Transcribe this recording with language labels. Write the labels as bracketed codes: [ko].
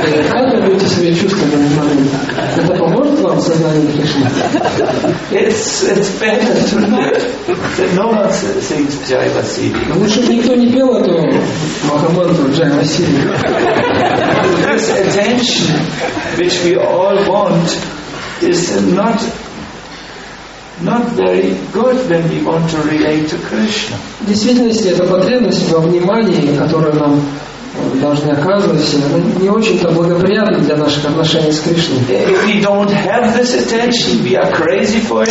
[ru] Как вы будете себя чувствовать на момент? Это поможет вам в сознании Кришны? [en] It's better to know that no one sings Jai Vasili. [ru] Ну, чтобы никто не пел эту махамантру Jai Vasili. [en] This attention, which we all want, is not very good when we want to relate to Krishna. [ru] В действительности, эта потребность во внимании, которую нам должны оказывать, не очень-то благоприятно для наших отношений с Кришной. [en] If we don't have this attention, we are crazy for it.